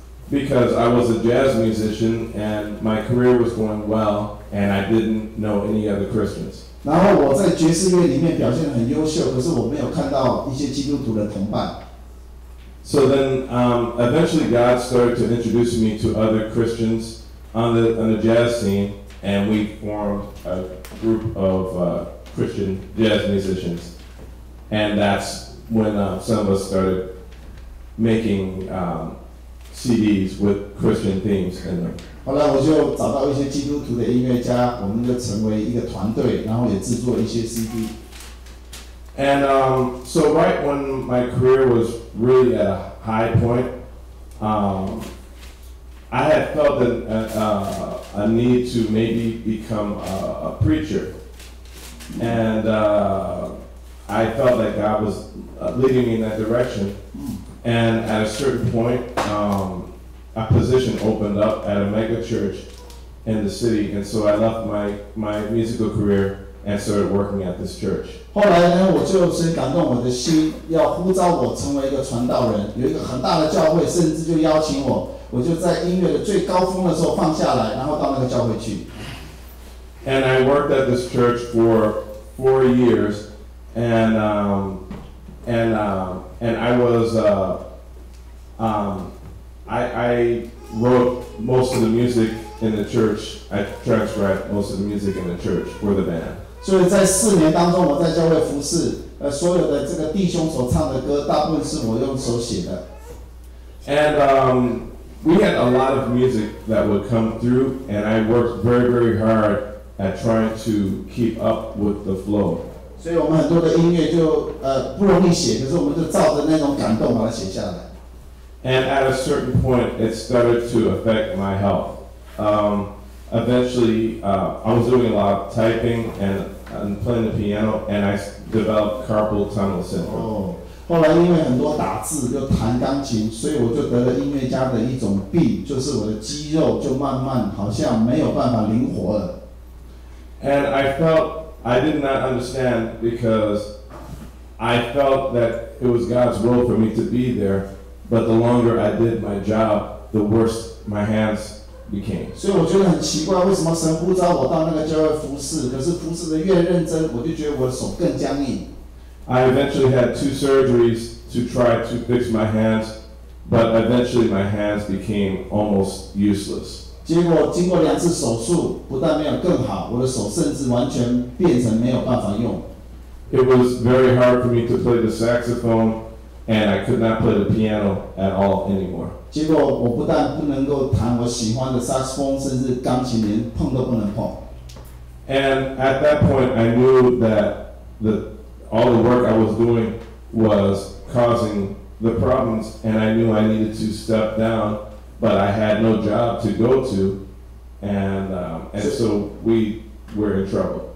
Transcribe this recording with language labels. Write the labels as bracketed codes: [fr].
[en] Because I was a jazz musician and my career was going well, and I didn't know any other Christians. [zh] 然后我在爵士乐里面表现得很优秀，可是我没有看到一些基督徒的同伴。 [en] So then eventually God started to introduce me to other Christians on the jazz scene, and we formed a group of Christian jazz musicians. And that's when some of us started making CDs with Christian themes in them. [zh] 后来我就找到一些基督徒的音乐家，我们就成为一个团队，然后也制作一些 CD. [en] And so right when my career was really at a high point, I had felt a need to maybe become a preacher. And I felt like God was leading me in that direction. And at a certain point, a position opened up at a mega church in the city. And so I left my musical career and started working at this church. [zh] 后来呢，我就是感动我的心，要呼召我成为一个传道人，有一个很大的教会，甚至就邀请我，我就在音乐的最高峰的时候放下来，然后到那个教会去。 [en] And I worked at this church for 4 years, and I was I wrote most of the music in the church. I transcribed most of the music in the church for the band. [zh] 所以在四年当中，我在教会服事，所有的这个弟兄所唱的歌，大部分是我用手写的。 [en] And we had a lot of music that would come through, and I worked very, very hard at trying to keep up with the flow. [zh] 所以我们很多的音乐就不容易写，可是我们就照着那种感动把它写下来。 [en] And at a certain point, it started to affect my health. Eventually, I was doing a lot of typing and playing the piano, and I developed carpal tunnel syndrome. [zh] 后来因为很多打字又弹钢琴，所以我就得了音乐家的一种病，就是我的肌肉就慢慢好像没有办法灵活了。 [en] And I felt I did not understand because I felt that it was God's will for me to be there, but the longer I did my job, the worse my hands. [zh] 所以我觉得很奇怪，为什么神呼召我到那个教会服事？可是服事的越认真，我就觉得我的手更僵硬。 [en] I eventually had 2 surgeries to try to fix my hands, but eventually my hands became almost useless. [zh] 结果经过2次手术，不但没有更好，我的手甚至完全变成没有办法用。 [en] It was very hard for me to play the saxophone. And I could not play the piano at all anymore. [zh] 结果我不但不能够弹我喜欢的萨克斯风，甚至钢琴连碰都不能碰。 [en] And at that point, I knew that all the work I was doing was causing the problems, and I knew I needed to step down. But I had no job to go to, and so we were in trouble.